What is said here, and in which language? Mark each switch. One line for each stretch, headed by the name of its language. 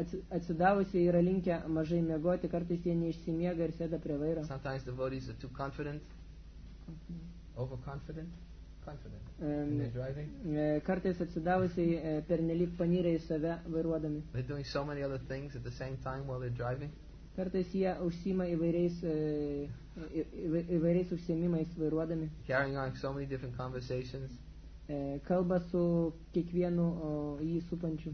Lithuanian: Atsidavusi yra linkę mažai miegoti, kartais jie neišsimiega ir sėda prie vairo.
English: Sometimes the devotees are too confident, overconfident, confident in their driving.
Lithuanian: Kartais atsidavusi pernelyg panyrę į save vairuodami.
English: They're doing so many other things at the same time while they're driving.
Lithuanian: Kartais jie užsima įvairiais užsiemimais vairuodami.
English: Carrying on so many different conversations.
Lithuanian: Kalba su kiekvienu jį supančiu.